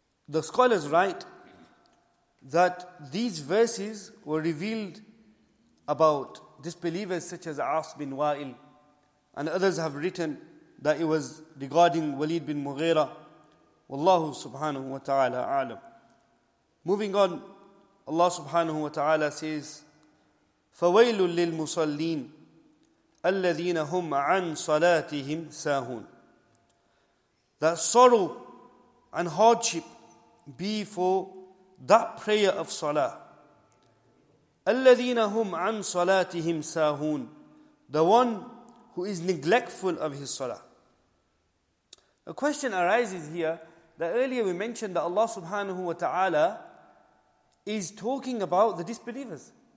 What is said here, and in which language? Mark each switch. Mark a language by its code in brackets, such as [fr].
[en] The scholars write that these verses were revealed about disbelievers such as As bin Wa'il, and others have written that it was regarding Walid bin Mughira. Wallahu subhanahu wa ta'ala a'lam. Moving on, [ar] Allah subhanahu wa ta'ala says, فَوَيْلٌ لِلْمُصَلِّينَ الَّذِينَ هُمْ عَنْ صَلَاتِهِمْ سَاهُونَ. [en] That sorrow and hardship be for that prayer of salah. [ar] الَّذِينَ هُمْ عَنْ صَلَاتِهِمْ سَاهُونَ. [en] The one who is neglectful of his salah. A question arises here that earlier we mentioned that Allah subhanahu wa ta'ala is talking about the disbelievers.